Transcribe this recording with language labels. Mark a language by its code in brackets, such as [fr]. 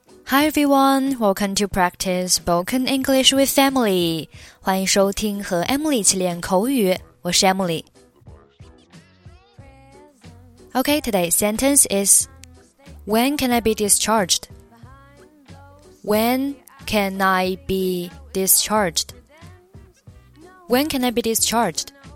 [en] Hi everyone, welcome to practice spoken English with Emily. [zh] 欢迎收听和 Emily 一起练口语，我是 Emily. [en] Okay, today's sentence is, When can I be discharged? When can I be discharged? When can I be discharged?